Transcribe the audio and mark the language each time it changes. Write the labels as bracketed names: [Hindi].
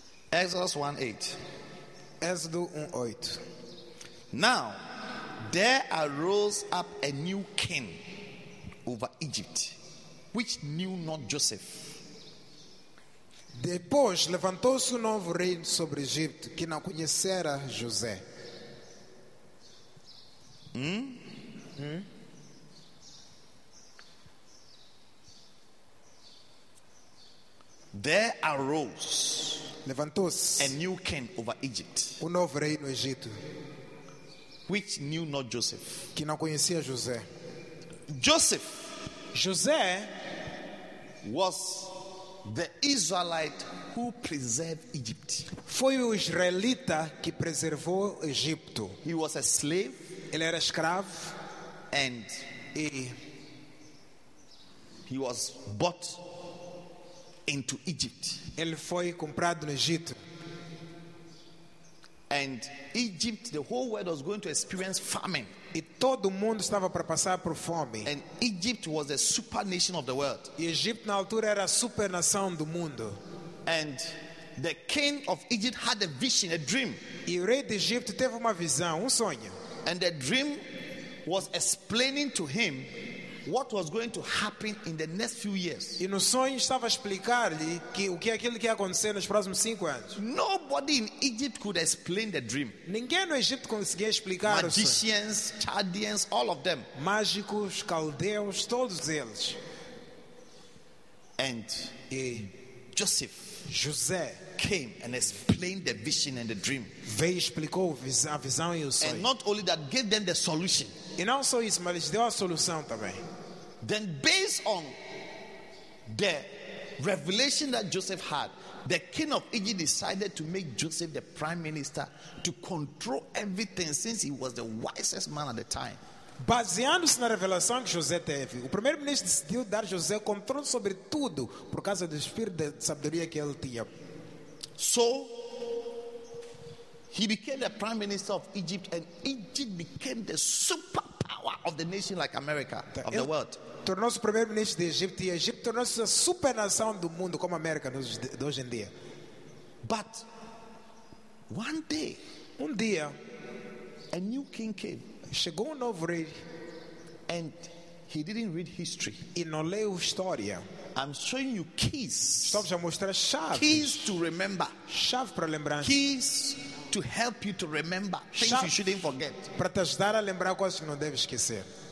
[English] Exodus 1:8. [Portuguese] Êxodo 1:8. [English] Now, there arose up a new king over Egypt, which knew not Joseph. [Portuguese] Depois levantou-se um novo rei sobre Egipto que não conhecera José. [English] There arose. [Portuguese] Levantou-se [English] a new king over Egypt. [Portuguese] Um novo rei no Egito. [English] Which knew not Joseph. [Portuguese] Que não conhecia José. [English] Joseph. [Portuguese] José [English] was the Israelite who preserved Egypt. [Portuguese] Foi o israelita que preservou Egipto. [English] He was a slave. [Portuguese] Ele era escravo. [English] And he was bought into Egypt. [Portuguese] Ele foi comprado no Egito. [English] And Egypt, the whole world was going to experience famine. [Portuguese] E todo mundo estava para passar por fome. [English] And Egypt was a super nation of the world. [Portuguese] E Egipto na altura era a super nação do mundo. [English] And the king of Egypt had a vision, a dream. [Portuguese] E o rei de Egipto teve uma visão, um sonho. [English] And the dream was explaining to him what was going to happen in the next few years. [Portuguese] E no sonho estava a explicar-lhe que o que é aquilo que ia acontecer nos próximos 5 anos. [English] Nobody in Egypt could explain the dream. [Portuguese] Ninguém no Egito conseguia explicar o sonho. [English] Magicians, Chaldeans, all of them. [Portuguese] Mágicos, caldeus, todos eles. [English] And Joseph, [Portuguese] José, [English] came and explained the vision and the dream. [Portuguese] Veio e explicou a visão e o sonho. [English] And not only that, gave them the solution. [Portuguese] E não só isso, mas lhes deu a solução também. [English] Then based on the revelation that Joseph had, the king of Egypt decided to make Joseph the prime minister to control everything, since he was the wisest man at the time. [Portuguese] Baseando-se na revelação que José teve, o primeiro-ministro decidiu dar José controle sobre tudo por causa do espírito de sabedoria que ele tinha. [English] So he became the prime minister of Egypt, and Egypt became the superpower of the nation, like America, of the world. [Portuguese] Tornou-se o primeiro-ministro de Egipto, e Egipto tornou-se a supernação do mundo, como a América de hoje em dia. [English] But one day, [Portuguese] um dia, [English] a new king came. [Portuguese] Chegou um novo rei, [English] and he didn't read history. [Portuguese] E não leu história. [English] I'm showing you keys. [Portuguese] Estou a mostrar chaves. [English] Keys to remember. [Portuguese] Chave para lembrança. [English] Keys to help you to remember things you shouldn't forget. [Portuguese] Para te ajudar a lembrar coisas que não deves esquecer.